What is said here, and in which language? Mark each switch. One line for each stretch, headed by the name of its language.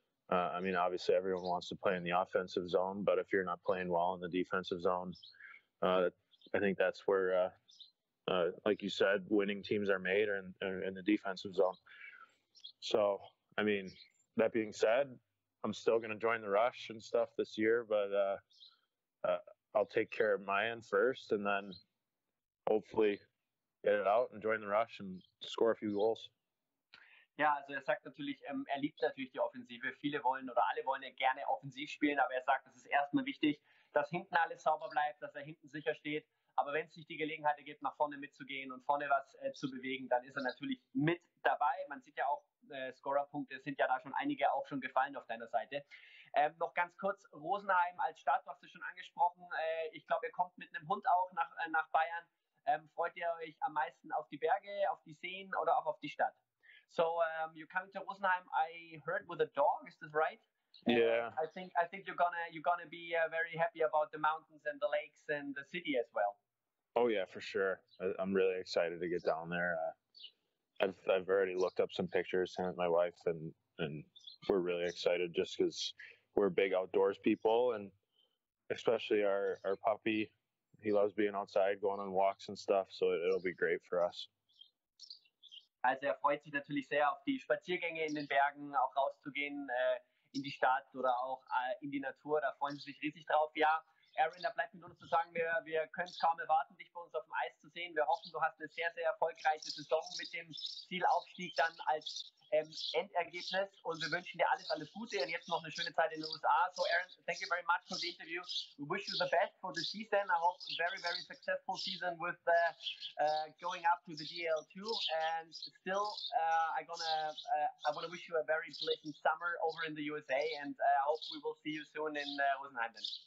English: I mean, obviously everyone wants to play in the offensive zone, but if you're not playing well in the defensive zone, I think that's where, like you said, winning teams are made in the defensive zone. So, I mean, that being said, I'm still going to join the rush and stuff this year, but I'll take care of my end first and then hopefully get it out and join the rush and score a few goals.
German: Ja, also er sagt natürlich, er liebt natürlich die Offensive. Viele wollen oder alle wollen ja gerne offensiv spielen, aber er sagt, es ist erstmal wichtig, dass hinten alles sauber bleibt, dass er hinten sicher steht. Aber wenn es sich die Gelegenheit ergibt, nach vorne mitzugehen und vorne was zu bewegen, dann ist er natürlich mit dabei. Man sieht ja auch, Scorerpunkte sind ja da schon einige auch schon gefallen auf deiner Seite. Noch ganz kurz, Rosenheim als Stadt, du hast es schon angesprochen. Ich glaube, ihr kommt mit einem Hund auch nach Bayern. Freut ihr euch am meisten auf die Berge, auf die Seen oder auch auf die Stadt?
English: So, you're coming to Rosenheim, I heard, with a dog, is this right? Yeah. I think you're gonna be very happy about the mountains and the lakes and the city as well. Oh yeah, for sure. I'm really excited to get down there. I've already looked up some pictures, sent it to my wife, and we're really excited just because we're big outdoors people, and especially our puppy. He loves being outside, going on walks and stuff, so it'll be great for us.
German: Also er freut sich natürlich sehr auf die Spaziergänge in den Bergen, auch rauszugehen in die Stadt oder auch in die Natur. Da freuen sie sich riesig drauf. Ja, Aaron, da bleibt mir nur noch zu sagen, wir können es kaum erwarten, dich bei uns auf dem Eis zu sehen. Wir hoffen, du hast eine sehr, sehr erfolgreiche Saison mit dem Zielaufstieg dann als Endergebnis. Und wir wünschen dir alles, alles Gute und jetzt noch eine schöne Zeit in den USA.
English: So Aaron, thank you very much for the interview. We wish you the best for the season. I hope a very, very successful season with going up to the DL2. And still, I want to wish you a very pleasant summer over in the USA. And I hope we will see you soon in Rosenheim.